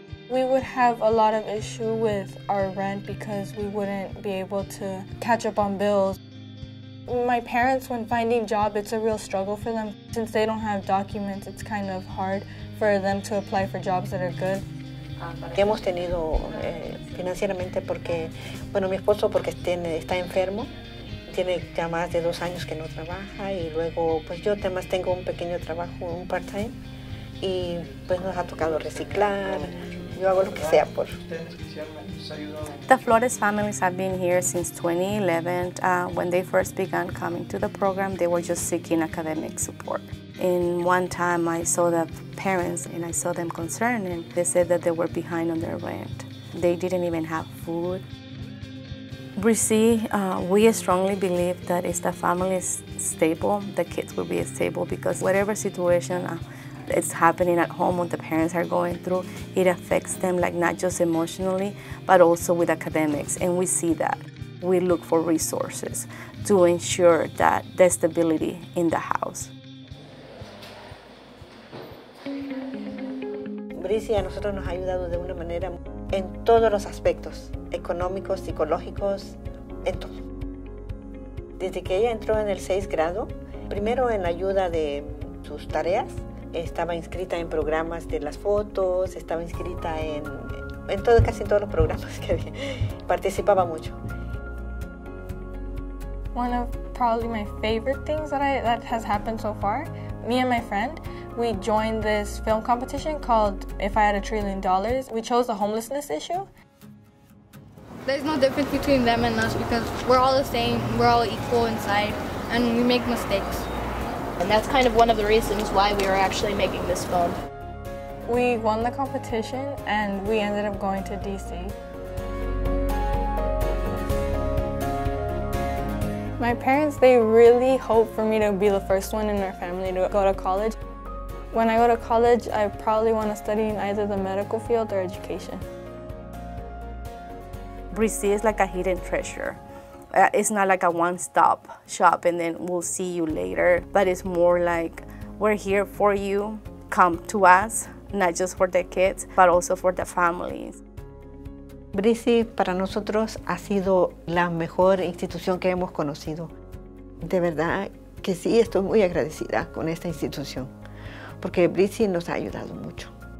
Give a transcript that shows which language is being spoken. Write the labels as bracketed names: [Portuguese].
[English] We would have a lot of issue with our rent because we wouldn't be able to catch up on bills. My parents, when finding job, it's a real struggle for them. Since they don't have documents, it's kind of hard for them to apply for jobs that are good. [Spanish] Hemos tenido financieramente porque, bueno, mi esposo porque está enfermo, tiene ya más de 2 años que no trabaja y luego pues yo además tengo un pequeño trabajo, un part-time, y pues nos ha tocado reciclar. [English] The Flores families have been here since 2011. When they first began coming to the program, they were just seeking academic support. In one time, I saw the parents and I saw them concerned, and they said that they were behind on their rent. They didn't even have food. Bresee, we strongly believe that if the family is stable, the kids will be stable, because whatever situation it's happening at home, what the parents are going through, it affects them, like, not just emotionally, but also with academics, and we see that. We look for resources to ensure that the stability in the house. [Spanish] Bresee a nosotros nos ha ayudado de una manera en todos los aspectos, económicos, psicológicos, en todo. Desde que ella entró en el 6th grado, primero en ayuda de sus tareas, estaba inscrita en programas de las fotos, estaba inscrita casi en todos los programas que había. Participaba mucho. [English] One of probably my favorite things that has happened so far, me and my friend, we joined this film competition called If I Had $1 Trillion. We chose the homelessness issue. There's no difference between them and us because we're all the same, we're all equal inside, and we make mistakes. And that's kind of one of the reasons why we were actually making this film. We won the competition and we ended up going to DC. My parents, they really hope for me to be the first one in our family to go to college. When I go to college, I probably want to study in either the medical field or education. Bresee is like a hidden treasure. It's not like a one-stop shop and then we'll see you later, but it's more like we're here for you. Come to us, not just for the kids, but also for the families. [Spanish] Bresee para nosotros ha sido la mejor institución que hemos conocido. De verdad que sí, estoy muy agradecida con esta institución porque Bresee nos ha ayudado mucho.